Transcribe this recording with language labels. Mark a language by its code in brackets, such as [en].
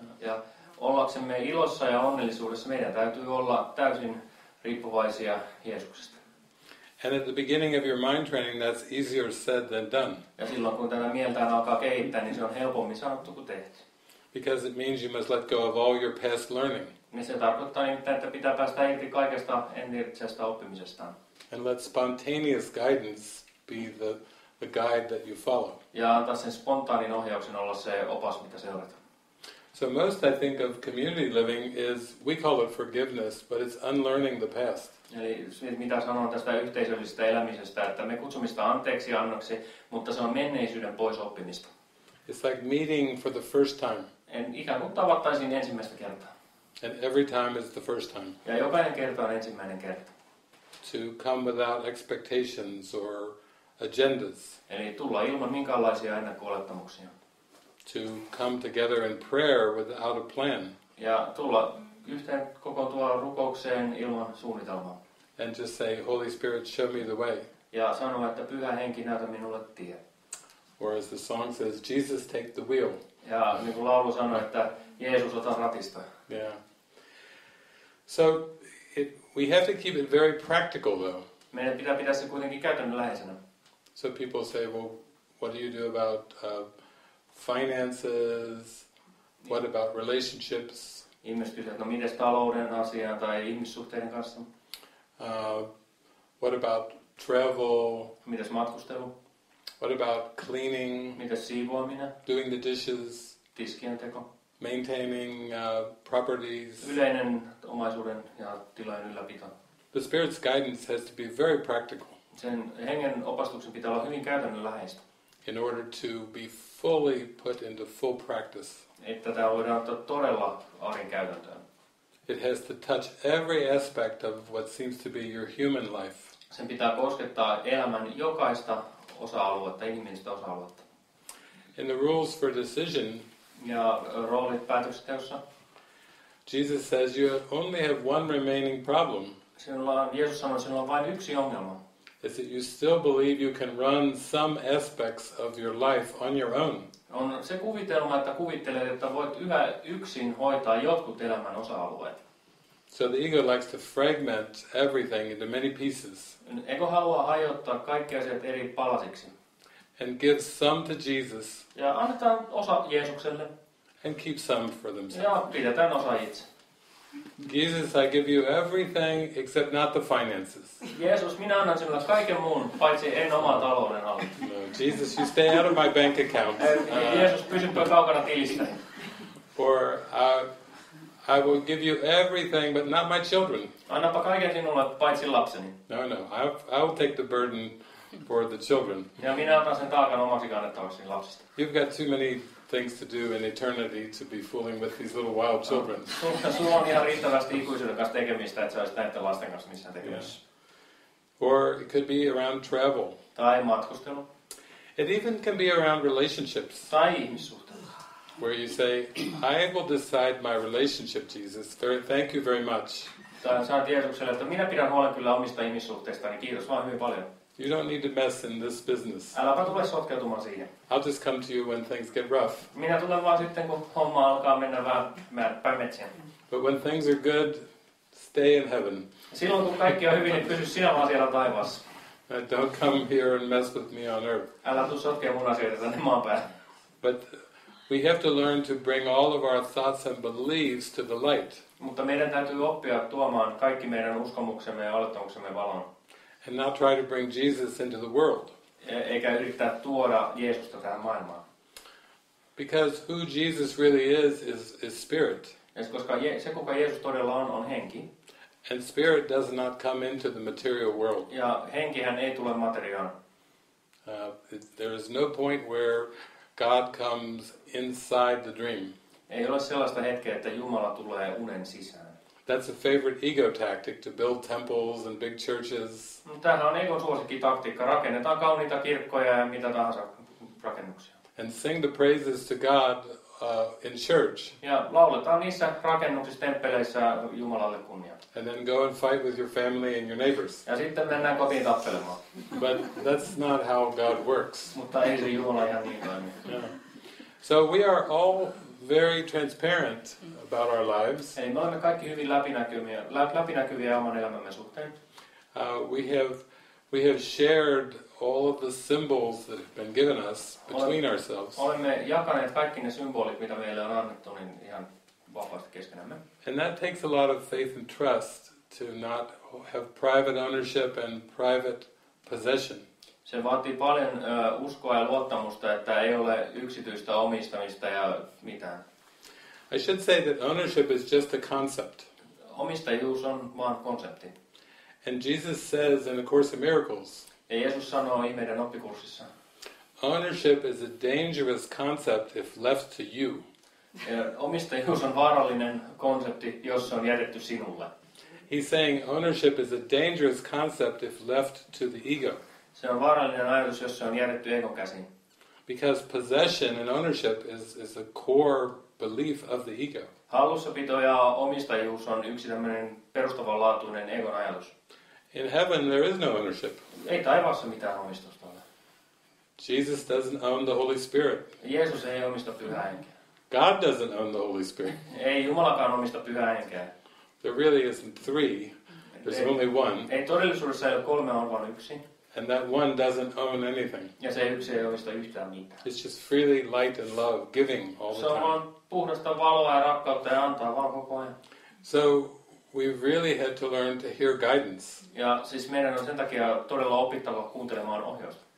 [fi] Ja ollaksemme ilossa ja onnellisuudessa, meidän täytyy olla täysin riippuvaisia Jeesuksesta. [en] And at the beginning of your mind training, that's easier said than done. [fi] Ja silloin kun tätä mieltään alkaa kehittää, niin se on helpommin sanottu kuin tehty. [en] Because it means you must let go of all your past learning. [fi] Niin se tarkoittaa niin, että pitää päästä irti kaikesta entisestä oppimisestaan. [en] And let spontaneous guidance be the guide that you follow. [fi] Ja antaa sen spontaanin ohjauksen olla se opas, mitä seurataan. [en] So most I think of community living is, we call it forgiveness, but it's unlearning the past. [fi] Eli mitä sanon tästä yhteisöllisestä elämisestä, että me kutsumme sitä anteeksi annoksi, mutta se on menneisyyden pois oppimista. [en] It's like meeting for the first time. [fi] En ikään kuin tavattaisiin ensimmäistä kertaa. [en] And every time is the first time. [fi] Ja jokainen kerta on ensimmäinen kerta. [en] To come without expectations or agendas. [fi] Eli tulla ilman minkäänlaisia ennakko-olettamuksia. [en] To come together in prayer without a plan. [fi] Ja tulla yhteen kokoontua rukoukseen ilman suunnitelmaa. [en] And just say, Holy Spirit, show me the way. [fi] Ja sanoa, että pyhä henki, näytä minulle tie. [en] Or as the song says, Jesus, take the wheel. [fi] Ja niin kuin laulu sanoi, että Jeesus, ota ratista. [en] Yeah. So, we have to keep it very practical, though. [fi] Meidän pitää pitää se kuitenkin käytännönläheisenä. [en] So people say, well, what do you do about finances, what about relationships? [fi] Ihmiset kysyvät, no mites talouden asiaan tai ihmissuhteiden kanssa? [en] What about travel? [fi] Mites matkustelu? [en] What about cleaning? [fi] Mites siivoaminen? [en] Doing the dishes? [fi] Tiskien teko? [en] Maintaining properties? [fi] Yleinen omaisuuden ja tilojen ylläpito. [en] The Spirit's guidance has to be very practical. [fi] Sen hengen opastuksen pitää olla hyvin käytännönläheistä. [en] In order to be fully put into full practice. [fi] Että tämä voidaan ottaa todella arjen käytäntöön. [en] It has to touch every aspect of what seems to be your human life. [fi] Sen pitää koskettaa elämän jokaista osa-aluetta, ihmisistä osa-aluetta. [en] In the rules for decision, [fi] ja roolit päätöksenteossa, [en] Jesus says you only have one remaining problem. [fi] Jeesus sanoi, että sinulla on vain yksi ongelma. [en] Is that you still believe you can run some aspects of your life on your own? [fi] On se kuvitelma, että kuvittelet, että voit yhä yksin hoitaa jotkut elämän osa-alueet. [en] So the ego likes to fragment everything into many pieces. [fi] Ego haluaa hajottaa kaikki asiat eri palasiksi. [en] And give some to Jesus. [fi] Ja annetaan osa Jeesukselle. [en] And keep some for themselves. [fi] Ja pidetään osa itse. [en] Jesus, I give you everything except not the finances. [fi] Jeesus, minä annan sinulle kaiken muun, paitsi en omaa talouden alle. [en] No, Jesus, you stay out of my bank account. [fi] Jeesus, pysyppä kaukana tilistä. [en] Or, I will give you everything, but not my children. [fi] Annapa kaiken sinulle, paitsi lapseni. [en] No, no, I will take the burden for the children. [fi] Ja minä otan sen taakan omaksi kannettavaksi lapsista. [en] You've got too many things to do in eternity to be fooling with these little wild children. [fi] Sulla on ihan riittävästi ikuisuuden kanssa tekemistä, että sä olisit näiden lasten kanssa missään tekemisessä. [en] Or it could be around travel. [fi] Tai matkustelu. [en] It even can be around relationships. [fi] Tai ihmissuhteita. [en] Where you say, I will decide my relationship, Jesus. Thank you very much. [fi] Tai sanot Jeesukselle, että minä pidän huolen kyllä omista ihmissuhteistani. Kiitos vaan hyvin paljon. [en] You don't need to mess in this business. [fi] Äläpä tule sotkeutumaan siihen. [en] I'll just come to you when things get rough. [fi] Minä tulen vaan sitten, kun homma alkaa mennä vähän päämetsiä. [en] But when things are good, stay in heaven. [fi] Silloin kun kaikki on hyvin, niin pysy sinä vaan siellä taivaassa. [en] Don't come here and mess with me on earth. [fi] Älä tuu sotkemaan mun asioita tänne maan päälle. [en] But we have to learn to bring all of our thoughts and beliefs to the light. [fi] Mutta meidän täytyy oppia tuomaan kaikki meidän uskomuksemme ja olettamuksemme valon. [en] And not try to bring Jesus into the world. [fi] Eikä yrittää tuoda Jeesusta tähän maailmaan. [en] Because who Jesus really is spirit. [fi] Koska se, kuka Jeesus todella on henki. [en] And spirit does not come into the material world. [fi] Ja henkihän ei tule materiaan. [en] There is no point where God comes inside the dream. [fi] Ei ole sellaista hetkeä, että Jumala tulee unen sisään. [en] That's a favorite ego tactic to build temples and big churches. [fi] Tämähän on egon suosikki taktiikka. Rakennetaan kauniita kirkkoja ja mitä tahansa rakennuksia. [en] And sing the praises to God in church. [fi] Ja lauletaan niissä rakennuksissa, temppeleissä Jumalalle kunnia. [en] And then go and fight with your family and your neighbors. [fi] Ja sitten mennään kotiin tappelemaan. [en] But that's not how God works. [fi] Mutta ei se Jumala ihan niin toimi. [en] So we are all very transparent about our lives. [fi] Hei, me olemme kaikki hyvin läpinäkyviä oman elämämme suhteen. [en] We have shared all of the symbols that have been given us between ourselves. [fi] Olemme jakaneet kaikki ne symbolit, mitä meille on annettu, niin ihan vapaasti keskenämme. [en] And that takes a lot of faith and trust to not have private ownership and private possession. [fi] Se vaatii paljon uskoa ja luottamusta, että ei ole yksityistä omistamista ja mitään. [en] I should say that ownership is just a concept. [fi] Omistajuus on vaan konsepti. [en] And Jesus says in the Course of Miracles. [fi] Ja Jeesus sanoo ihmeiden oppikurssissa. [en] Ownership is a dangerous concept if left to you. [fi] Omistajuus on vaarallinen konsepti, jos se on jätetty sinulle. [en] He's saying ownership is a dangerous concept if left to the ego. [fi] Se on vaarallinen ajatus, jos se on jätetty egon käsiin. [en] Because possession and ownership is a core belief of the ego. [fi] Hallussapito ja omistajuus on yksi tämmöinen perustavanlaatuinen egon ajatus. [en] In heaven there is no ownership. [fi] Ei taivaassa mitään omistusta ole. [en] Jesus doesn't own the Holy Spirit. [fi] Jeesus ei omista pyhää henkeä. [en] God doesn't own the Holy Spirit. [fi] Ei Jumalakaan omista pyhää henkeä. [en] There really isn't three. There's only one. [fi] Ei todellisuudessa ei ole kolme, on vain yksi. [en] And that one doesn't own anything. [fi] Ja se yksi ei omista yhtään mitään. [en] It's just freely light and love giving all the time. [fi] Se on puhdasta valoa ja rakkautta ja antaa vaan koko ajan. [en] So we really had to learn to hear guidance. [fi] Ja siis meidän on sen takia todella opittava kuuntelemaan ohjausta.